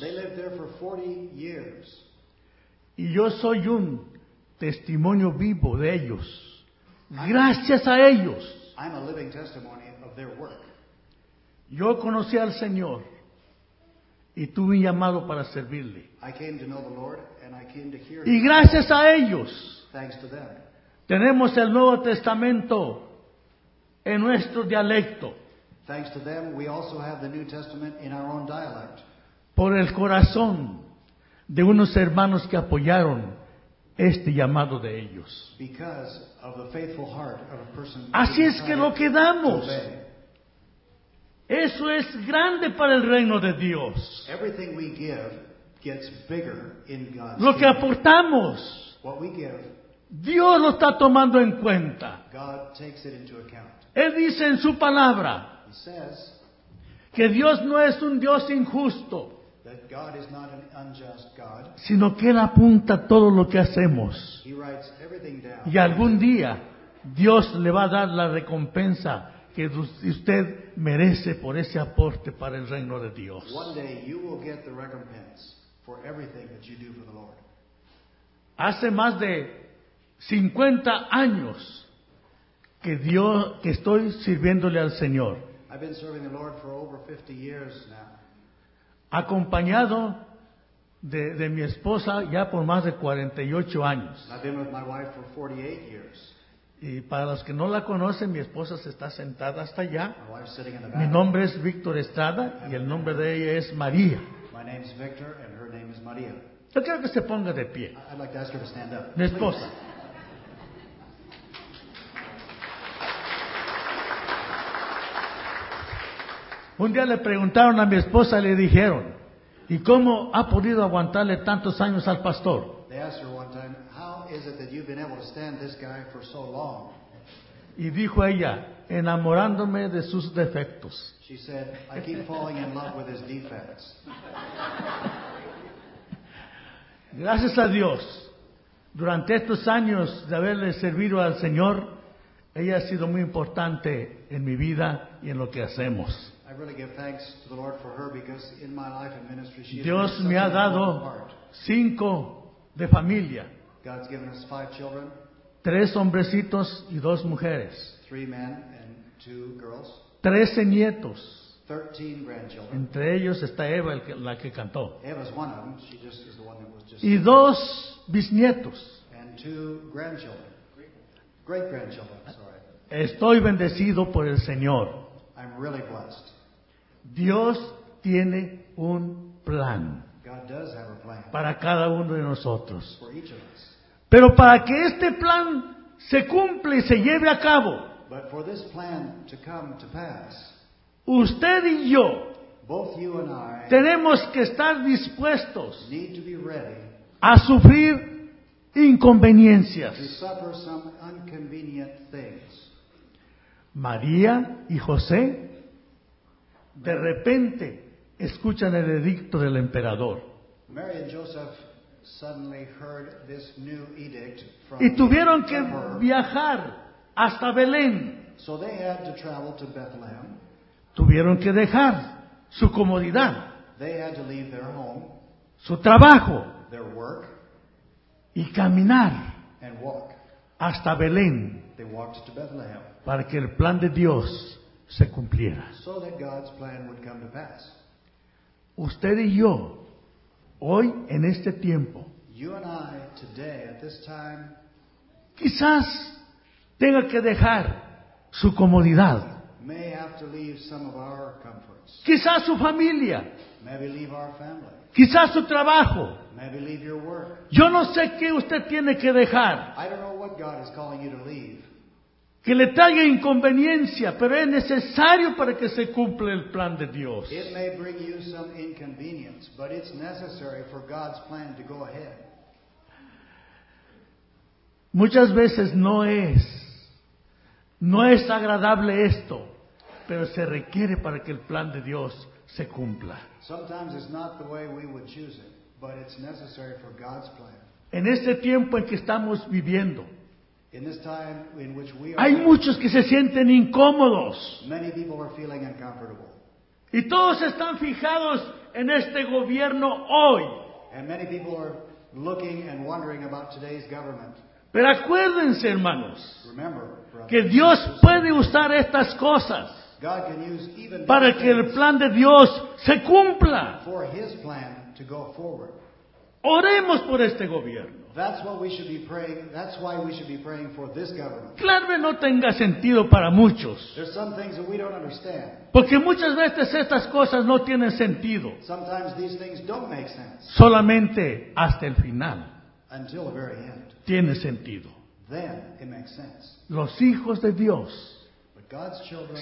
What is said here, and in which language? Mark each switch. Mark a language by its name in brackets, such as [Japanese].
[English] They lived there for 40 years. [Spanish] Y yo soy un testimonio vivo de ellos. Gracias a ellos. [English] I'm a living testimony of their work. [Spanish] Yo conocí al Señor y tuve un llamado para servirle. [English] I came to know the Lord and I came to hear Him. [Spanish] Y gracias a ellos. [English] Thanks to them. [Spanish] Tenemos el Nuevo Testamento en nuestro dialecto. [English] Thanks to them, we also have the New Testament in our own dialect. [Spanish] Por el corazón de unos hermanos que apoyaron este llamado de ellos. [English] Because of the faithful heart of a person. [Spanish] Así es que lo que damos, eso es grande para el reino de Dios. [English] Everything we give gets bigger in God's kingdom. [Spanish] Lo que aportamos, [English] what we give, [Spanish] Dios lo está tomando en cuenta. [English] God takes it into account. [Spanish] Él dice en su palabra, [English] He says, [Spanish] que Dios no es un Dios injusto, [English] that God is not an unjust God, [Spanish] sino que Él apunta todo lo que hacemos. [English] He writes everything down. [Spanish] Y algún día, Dios le va a dar la recompensa que usted merece por ese aporte para el reino de Dios. [English] One day you will get the recompense for everything that you do for the Lord. [Spanish] Hace más de 50 años que Dios, que estoy sirviéndole al Señor. [English] I've been serving the Lord for over 50 years now. [Spanish] Acompañado de mi esposa ya por más de 48 años. [English] I've been with my wife for 48 years. [Spanish] Y para los que no la conocen, mi esposa se está sentada hasta allá. [English] My wife's sitting in the back. [Spanish] Mi nombre es Víctor Estrada y el nombre de ella es María. [English] My name's Victor and her name is Maria. [Spanish] Yo quiero que se ponga de pie. [English] I'd like to ask her to stand up. [Spanish] Mi esposa. Un día le preguntaron a mi esposa, le dijeron, ¿y cómo ha podido aguantarle tantos años al pastor? [English] They asked her one time, how is it that you've been able to stand this guy for so long? [Spanish] Y dijo ella, enamorándome de sus defectos. [English] She said, I keep falling in love with his defects. [Spanish] Gracias a Dios, durante estos años de haberle servido al Señor, ella ha sido muy importante en mi vida y en lo que hacemos. [English] I really give thanks to the Lord for her because in my life and ministry she [Spanish] Dios me ha dado cinco de familia. [English] God's given us five children. [Spanish] Tres hombrecitos y dos mujeres. [English] Three men and two girls. [Spanish] 13 nietos. [English] 13 grandchildren. [Spanish] Entre ellos está Eva, la que cantó. [English] Eva's one of them. She just is the one that was just. [Spanish] Y dos bisnietos. [English] And two grandchildren. Great-grandchildren, sorry. [Spanish] Estoy bendecido por el Señor. [English] I'm really blessed. [Spanish] Dios tiene un plan. [English] God does have a plan. [Spanish] Para cada uno de nosotros. [English] For each of us. [Spanish] Pero para que este plan se cumpla y se lleve a cabo. [English] But for this plan to come to pass. [Spanish] Usted y yo. [English] Both you and I. [Spanish] Tenemos que estar dispuestos. [English] Need to be ready. [Spanish] A sufrir inconveniencias. [English] To suffer some inconvenient things. [Spanish] María y José de repente escuchan el edicto del emperador. [English] Mary and Joseph suddenly heard this new edict from [Spanish] y tuvieron que viajar hasta Belén. [English] So they had to travel to Bethlehem. [Spanish] Tuvieron que dejar su comodidad, [English] they had to leave their home, [Spanish] su trabajo, [English] their work, [Spanish] y caminar [English] and walk [Spanish] hasta Belén. [English] They walked to Bethlehem. [Spanish] Para que el plan de Dios se cumpliera. [English] So that God's plan would come to pass. [Spanish] Usted y yo, hoy en este tiempo, [English] you and I today, at this time, [Spanish] quizás tenga que dejar su comodidad. [English] May have to leave some of our comforts. [Spanish] Quizás su familia. [English] Maybe leave our family. [Spanish] Quizás su trabajo. [English] Maybe leave your work. [Spanish] Yo no sé qué usted tiene que dejar. [English] I don't know what God is calling you to leave. [Spanish] Que le traiga inconveniencia, pero es necesario para que se cumpla el plan de Dios. [English] It may bring you some inconvenience, but it's necessary for God's plan to go ahead. [Spanish] Muchas veces no es agradable esto, pero se requiere para que el plan de Dios se cumpla. [English] Sometimes it's not the way we would choose it, but it's necessary for God's plan. [Spanish] En este tiempo en que estamos viviendo, [English] In this time in which we are, [Spanish] hay muchos que se sienten incómodos. [English] Many people are feeling uncomfortable. [Spanish] Y todos están fijados en este gobierno hoy. [English] And many people are looking and wondering about today's government. [Spanish] Pero acuérdense, hermanos, [English] remember, [Spanish] que Dios puede usar estas cosas para que el plan de Dios se cumpla. [English] For his plan to go forward. [Spanish] Oremos por este gobierno. [English] That's what we should be praying. That's why we should be praying for this government. [Spanish] Claro que no tenga sentido para muchos. [English] There's some things that we don't understand. [Spanish] Porque muchas veces estas cosas no tienen sentido. [English] Sometimes these things don't make sense. [Spanish] Solamente hasta el final. [English] Until the very end. [Spanish] Tiene sentido. [English] Then it makes sense. [Spanish] Los hijos de Dios. [English] But God's children.